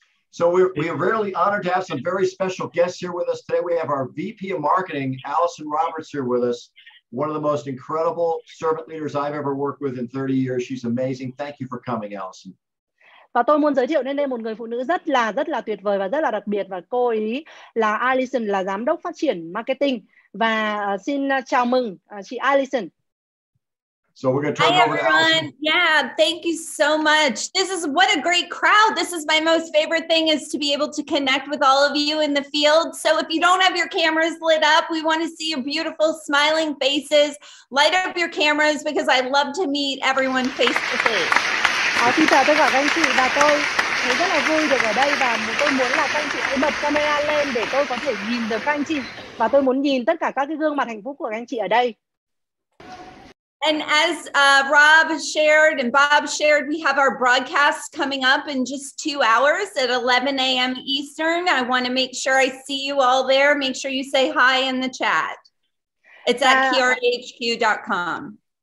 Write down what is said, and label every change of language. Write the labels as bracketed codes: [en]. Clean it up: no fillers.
[en] So we are really honored to have some very special guests here with us today. We have our VP of Marketing, Allison Roberts, here with us. One of the most incredible servant leaders I've ever worked with in 30 years. She's amazing. Thank you for coming, Allison. [vi] Và tôi muốn giới thiệu đến đây một người phụ nữ rất là tuyệt vời và rất là đặc biệt. Và cô ấy là Allison, là giám đốc phát triển marketing. Và xin chào mừng chị Allison. [en] So we're going to turn it over to Allison. Yeah, thank you so much. This is what a great crowd. This is my most favorite thing, is to be able to connect with all of you in the field. So if you don't have your cameras lit up, we want to see your beautiful smiling faces. Light up your cameras, because I love to meet everyone face to face. [vi] Xin chào tất cả các anh chị, và tôi thấy rất là vui được ở đây, và tôi muốn là các anh chị hãy bật camera lên để tôi có thể nhìn được các anh chị, và tôi muốn nhìn tất cả các cái gương mặt hạnh phúc của các anh chị ở đây. [en] And as Rob shared and Bob shared, we have our broadcast coming up in just 2 hours at 11 a.m. Eastern. I want to make sure I see you all there. Make sure you say hi in the chat. It's at kiarihq.com.